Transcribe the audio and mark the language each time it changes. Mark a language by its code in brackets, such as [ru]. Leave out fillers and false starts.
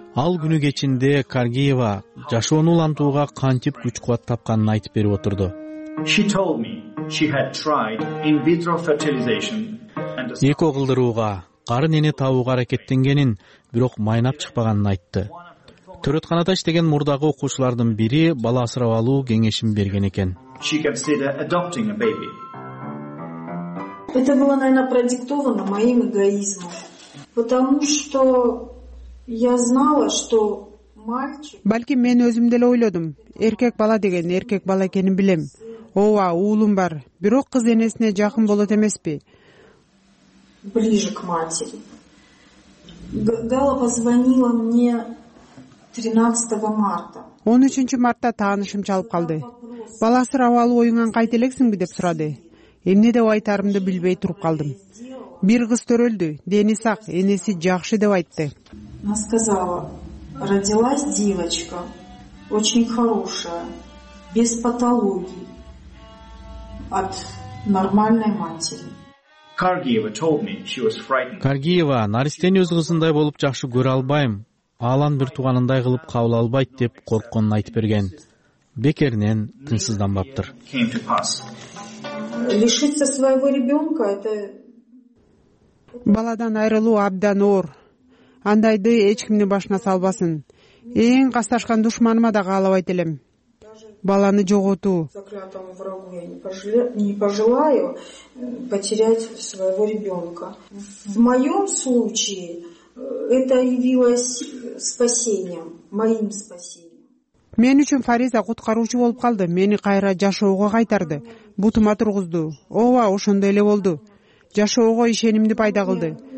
[ky] ал күнү кечинде Каргиева жашоону улантууга кантип күч кубат тапканын айтып берип отурду. [en] She told me she had tried in vitro fertilization and [ky] эко кылдырууга, карын эне табууга аракеттенгенин, бирок майнап чыкпаганын айтты. Төрөтканада иштеген мурдагы окуучулардын бири бала асырап алуу кеңешин берген экен. [en] She considered adopting a baby. [ru] Это было, наверное, продиктовано моим эгоизмом. Потому что я знала, что мальчик. [ky] Балким мен өзүм деле ойлодум. Эркек бала деген эркек бала экенин билем. Ооба, уулум бар. Бирок кыз энесине жакын болот эмеспи? [ru] Ближе к матери. Гала позвонила мне 13 марта. [ky] 13 мартта таанышым чалып калды. Бала асырап алуу оюнан кайт элексиңби деп сурады. Эмне деп айтарымды билбей туруп калдым. Бир кыз төрөлдү, дени сак, энеси жакшы деп айтты. [ru] Она сказала: родилась девочка, очень хорошая, без патологии, от нормальной матери. [en] Каргиева told me she was frightened. [ky] Каргиева, наристени өз кызындай болуп жакшы көрө албайм, алан бир туугандай кылып кабыл албайт деп коркконун айтып берген. Бекеринен тынсызданбаптыр. [ru] Лишиться своего ребенка, это [ky] баладан айрылуу абдан оор. Андайды эч кимдин башына салбасын. Эң касташкан душманыма да каалабайт элем. Баланы жоготуу. [ru] Заклятому врагу не пожелаю потерять своего ребенка. В моем случае это явилось спасением, моим спасением. [ky] Мен үчүн Фариза куткаруучу болуп калды, мени кайра жашоого кайтарды, бутума тургузду. Ооба, ошондой эле болду. Жашоого ишенимди пайда кылды.